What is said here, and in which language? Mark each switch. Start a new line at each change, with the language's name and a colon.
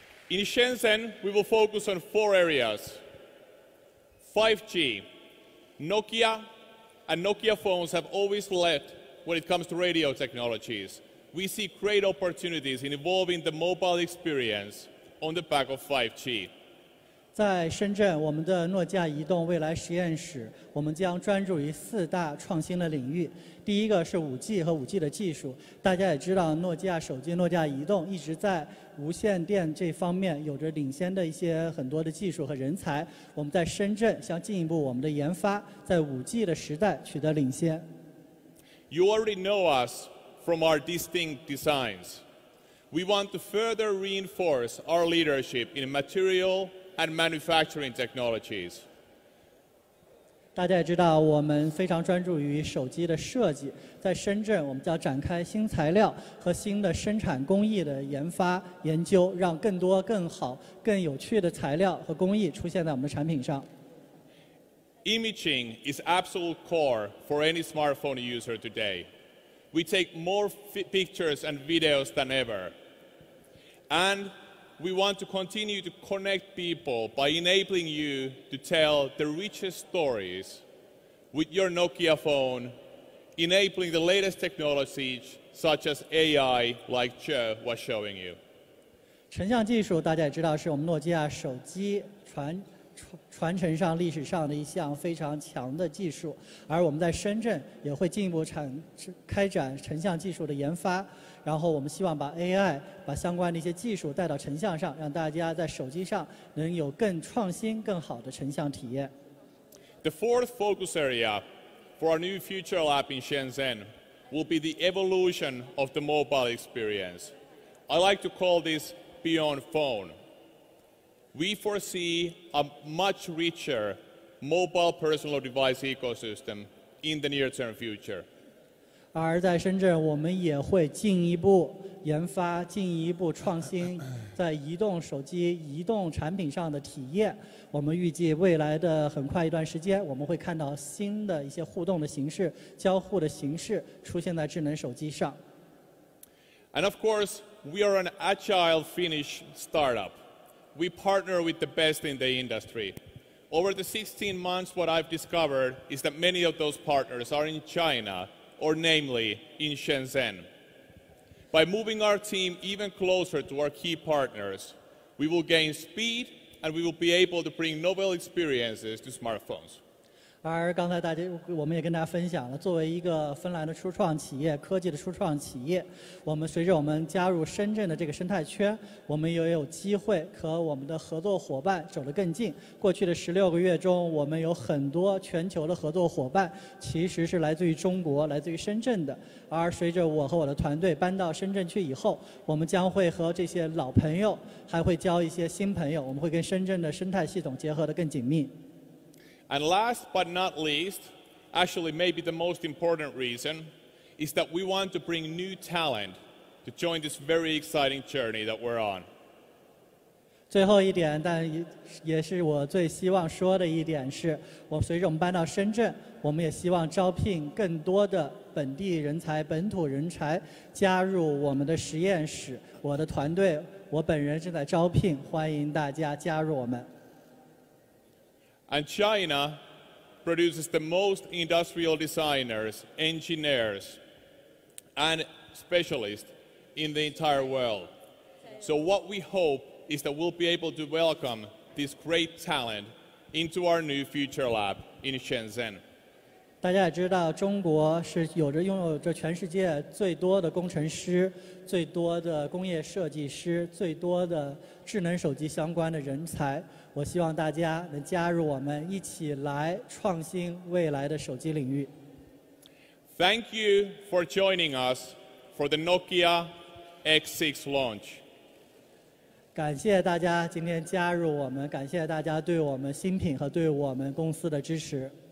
English: In Shenzhen, we will focus on four areas: 5G, Nokia, and Nokia phones have always led when it comes to radio technologies. We see great opportunities in evolving the mobile experience on the back of 5G.
Chinese: 在深圳，我们的诺基亚移动未来实验室，我们将专注于四大创新的领域。第一个是 5G 和 5G 的技术。大家也知道，诺基亚手机、诺基亚移动一直在无线电这方面有着领先的一些很多的技术和人才。我们在深圳将进一步我们的研发，在 5G 的时代取得领先。
English: You already know us from our distinct designs. We want to further reinforce our leadership in material. And manufacturing technologies.
Chinese: 大家也知道，我们非常专注于手机的设计。在深圳，我们将展开新材料和新的生产工艺的研发研究，让更多、更好、更有趣的材料和工艺出现在我们的产品上。
English: Imaging is absolute core for any smartphone user today. We take more pictures and videos than ever. And. We want to continue to connect people by enabling you to tell the richest stories with your Nokia phone, enabling the latest technologies such as AI, like Joe was showing you.
Chinese: 成像技术大家也知道是我们诺基亚手机传传承上历史上的一项非常强的技术，而我们在深圳也会进一步开展成像技术的研发，然后我们希望把 AI 把相关的一些技术带到成像上，让大家在手机上能有更创新更好的成像体验。
English: The fourth focus area for our new future lab in Shenzhen will be the evolution of the mobile experience. I like to call this beyond phone. We foresee a much richer mobile personal device ecosystem in the near-term future.
Chinese: 而在深圳，我们也会进一步研发、进一步创新在移动手机、移动产品上的体验。我们预计未来的很快一段时间，我们会看到新的一些互动的形式、交互的形式出现在智能手机上。
English: And of course, we are an agile Finnish startup. We partner with the best in the industry. Over the 16 months, what I've discovered is that many of those partners are in China. Or namely, in Shenzhen. By moving our team even closer to our key partners, we will gain speed and we will be able to bring novel experiences to smartphones.
Chinese: 而刚才大家我们也跟大家分享了，作为一个芬兰的初创企业，科技的初创企业，我们随着我们加入深圳的这个生态圈，我们也有机会和我们的合作伙伴走得更近。过去的16个月中，我们有很多全球的合作伙伴，其实是来自于中国，来自于深圳的。而随着我和我的团队搬到深圳去以后，我们将会和这些老朋友，还会交一些新朋友，我们会跟深圳的生态系统结合得更紧密。
English: And last but not least, actually maybe the most important reason, is that we want to bring new talent to join this very exciting journey that we're on.
Chinese: 最后一点，但也是我最希望说的一点是，我随着我们搬到深圳，我们也希望招聘更多的本地人才、本土人才加入我们的实验室。我的团队，我本人正在招聘，欢迎大家加入我们。
English: And China produces the most industrial designers, engineers, and specialists in the entire world. So what we hope is that we'll be able to welcome this great talent into our new future lab in Shenzhen.
Chinese: 大家也知道，中国是有着拥有着全世界最多的工程师、最多的工业设计师、最多的智能手机相关的人才。我希望大家能加入我们，一起来创新未来的手机领域。
English: Thank you for joining us for the Nokia X6 launch.
Chinese: 感谢大家今天加入我们，感谢大家对我们新品和对我们公司的支持。